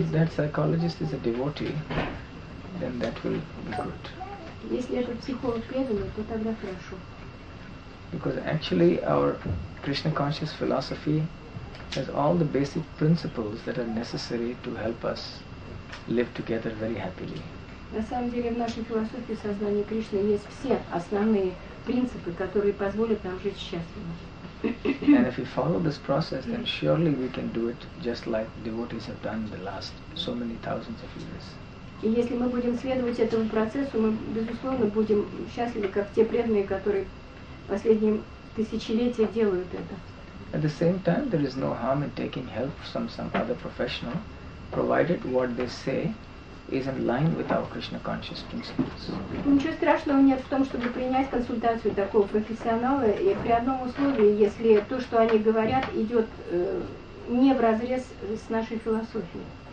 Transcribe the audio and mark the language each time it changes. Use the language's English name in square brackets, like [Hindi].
[English] If that psychologist is a devotee, then that will be good. [Russian] Если это психолог преданный, то тогда хорошо. [English] Because actually our Krishna conscious philosophy has all the basic principles that are necessary to help us live together very happily. [Russian] На самом деле в нашей философии сознания Кришны есть все основные принципы, которые позволят нам жить счастливо. [English] And if we follow this process, then surely we can do it just like devotees have done in the last so many thousands of years. [Russian] И если мы будем следовать этому процессу, мы безусловно будем счастливы, как те преданные, которые последние тысячелетия делают это. [English] At the same time, there is no harm in taking help from some other professional, provided what they say is in line with our Krishna conscious principles. [Russian] Ничего страшного нет в том, чтобы принять консультацию такого профессионала, и при одном условии, если то, что они говорят, идет не в разрез с нашей философией.